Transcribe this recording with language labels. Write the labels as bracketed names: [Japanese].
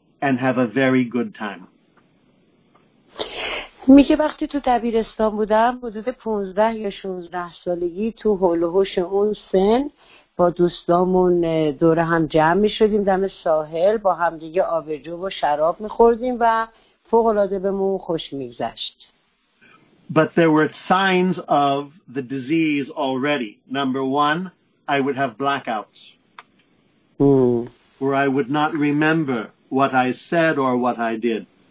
[English] And have a very good time. [Persian] میگه وقتی تو دبیرستان بودم حدود 15 یا 16 سالگی تو هول و هوش اون سن با دوستامون دور هم جمع می‌شدیم دم ساحل با هم دیگه آبجو و شراب می‌خوردیم و فوق‌العاده بهمون خوش می‌گذشت. [English] But there were signs of the disease already. Number one, I would have blackouts. Where I would not remember what I said or what I did.